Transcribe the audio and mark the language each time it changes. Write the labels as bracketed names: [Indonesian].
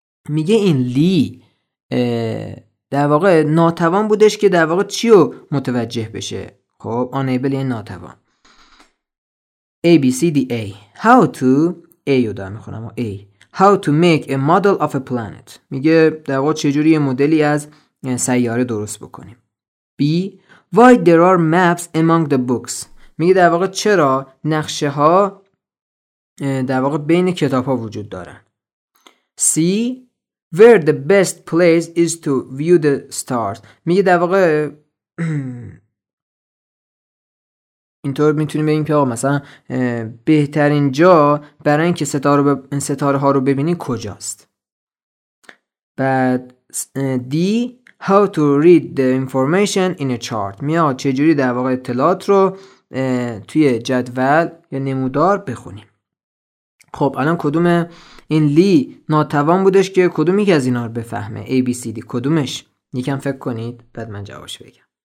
[Persian] میگه این لی در واقع ناتوان بودش که در واقع چیو متوجه بشه. خب unable یعنی ناتوان. A B C D. [English] A how to، A [Persian] رو دارم میخونم، [English] A how to make a model of a planet. [Persian] میگه در واقع چجوری مدلی از سیاره درست بکنیم. [English] B why there are maps among the books. [Persian] میگه در واقع چرا نقشه ها در واقع بین کتاب ها وجود دارن. [English] C where the best place is to view the stars. [Persian] میگه در واقع اینطور میتونیم بگیم که آقا مثلا بهترین جا برای اینکه ستاره ها رو ببینی کجاست. [English] بعد D how to read the information in a chart. [Persian] میاد چجوری در واقع اطلاعات رو توی جدول یا نمودار بخونیم. خب الان کدوم این لی ناتوان بودش که کدومی که از اینا رو بفهمه؟ A B C D کدومش؟ یکم فکر کنید بعد من جوابش بگم.